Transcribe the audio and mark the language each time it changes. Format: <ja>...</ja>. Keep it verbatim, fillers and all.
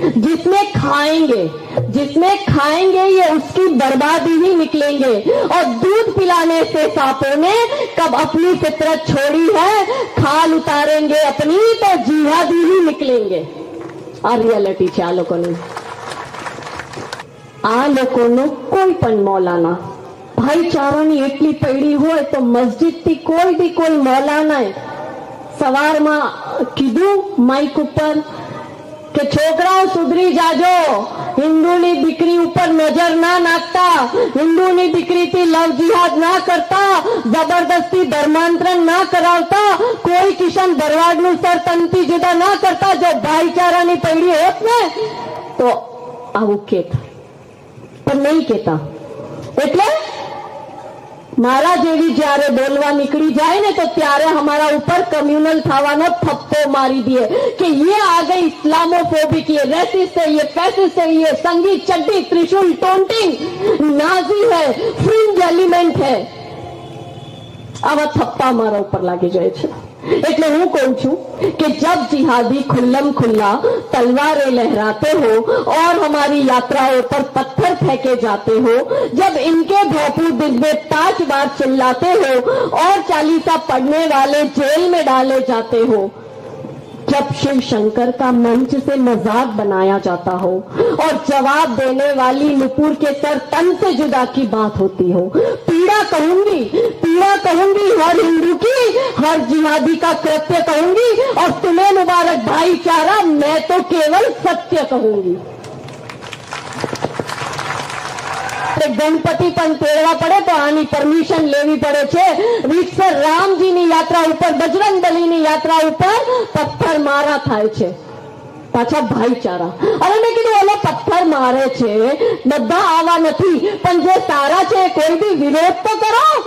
<hi>जिसमें खाएंगे जिसमें खाएंगे ये उसकी बर्बादी ही निकलेंगे. और दूध पिलाने से सांपों ने कब अपनी फितरत छोड़ी है, खाल उतारेंगे अपनी तो जिहादी ही निकलेंगे.</hi> <gu>आ रियलिटी છે આ લોકોની. આ લોકોનો કોઈ પણ મૌલાના ભાઈચારાની એટલી પૈડી હોય તો મસ્જિદથી કોઈ બી કોઈ મૌલાનાએ સવારમાં કીધું માઇક ઉપર કે છોકરાઓ સુધરી જાજો, હિન્દુની દીકરી ઉપર નજર ના નાખતા, હિન્દુની દીકરીથી લવ જિહાદ ના કરતા, જબરદસ્તી ધર્માંતરણ ના કરાવતા, કોઈ કિશન ભરવાડનું સર તનથી જુદા ના કરતા. જો ભાઈચારાની પૈડી હોત ને તો આવું કહેતા, પણ નહીં કહેતા. એટલે મારા જેવી જયારે બોલવા નીકળી જાય ને તો ત્યારે હમારા ઉપર કમ્યુનલ થવાનો થપ્પો મારી દે કે</gu> <hi>યે આ ગઈ ઇસ્લામોફોબિક, યે રેસિસ્ટ હૈ, યે ફેસિસ્ટ હૈ, યે संगी चड्डी त्रिशूल टोंटिंग नाजी है, फ्रिंज एलिमेंट है.</hi> <gu>આવા થપ્પા મારા ઉપર લાગી જાય છે. એટલે હું</gu> <hi>कहूं છું कि जब जिहादी खुल्लम खुल्ला तलवारें लहराते हो और हमारी यात्राओं पर पत्थर फेंके जाते हो, जब इनके भोपू दिन में पांच बार चिल्लाते हो और चालीसा पढ़ने वाले जेल में डाले जाते हो, जब शिव शंकर का मंच से मजाक बनाया जाता हो और जवाब देने वाली नुपुर के सर तन से जुदा की बात होती हो, पीड़ा कहूंगी पीड़ा कहूंगी हर हिंदू की, हर जिहादी का कृत्य कहूंगी. और तुम्हें मुबारक भाईचारा, मैं तो केवल सत्य कहूंगी.</hi> <gu>ગણપતિ પણ તેડવા પડે તો આની પરમિશન લેવી પડે છે. રીતસર રામજીની યાત્રા ઉપર, બજરંગ બલીની યાત્રા ઉપર પથ્થર મારા થાય છે. પાછા ભાઈચારા. હવે મેં કીધું ઓલો પથ્થર મારે છે, બધા આવા નથી, પણ જે સારા છે કોઈ બી વિરોધ તો કરો.</gu>